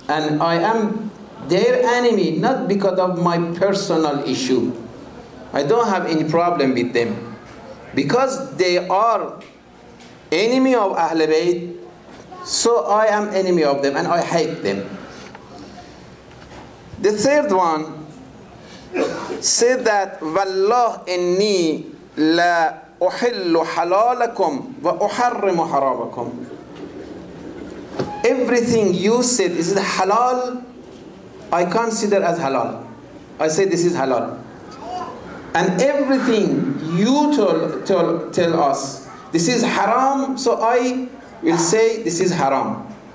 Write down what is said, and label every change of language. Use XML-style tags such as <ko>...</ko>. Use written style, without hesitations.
<en>And I am their enemy, not because of my personal issue. I don't have any problem with them. Because they are enemy of Ahl Bayt, so I am enemy of them and I hate them.</en> <ar>The third one said that وَاللَّهُ إِنِّي لَا أُحِلُّ حَلَالَكُمْ وَأُحَرِّمُ حَرَامَكُمْ.</ar> <en>Everything you said, is it halal? I consider as halal. I say this is halal. And everything you tell us, this is haram, so I will say this is haram.</en>